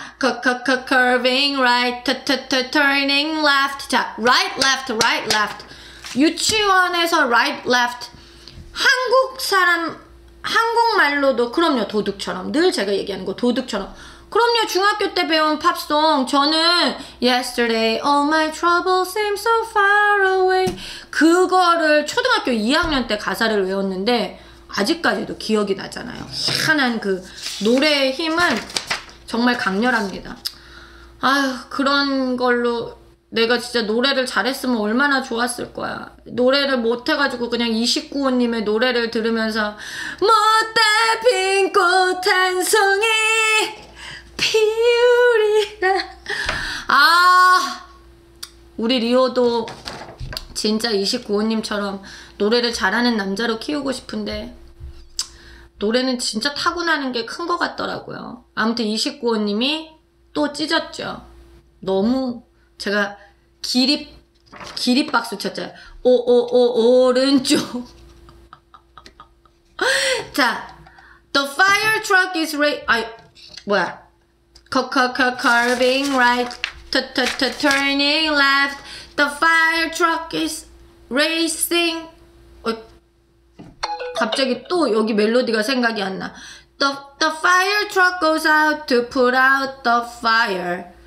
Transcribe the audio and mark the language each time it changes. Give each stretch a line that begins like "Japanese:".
English: Curving right, turning left. 자 right left, right left.
Korean: 유치원에서
English: right left.
Korean: 한국 사람 한국말로도 그럼요 도둑처럼 늘 제가 얘기하는 거 도둑처럼. 그럼요 중학교 때 배운 팝송 저는
English: yesterday all my troubles seem so far away
Korean: 그거를 초등학교 2학년 때 가사를 외웠는데. 아직까지도 기억이 나잖아요. 희한한 그 노래의 힘은 정말 강렬합니다. 아휴 그런 걸로 내가 진짜 노래를 잘했으면 얼마나 좋았을 거야. 노래를 못해가지고 그냥 29호님의 노래를 들으면서 못돼 빈 꽃 한 송이 피우리라. 아 우리 리오도 진짜 29호님처럼 노래를 잘하는 남자로 키우고 싶은데 노래는 진짜 타고나는 게 큰 것 같더라고요. 아무튼 29호님이 또 찢었죠. 너무 제가 기립 박수 쳤잖아요. 오오오 오른쪽.
English: 자, The fire truck is ready.
Korean: 뭐야?
English: Curving right, turning left. The fire truck is racing.
Korean: 갑자기 또 여기 멜로디가 생각이 안 나.
English: The fire truck goes out to put out the fire.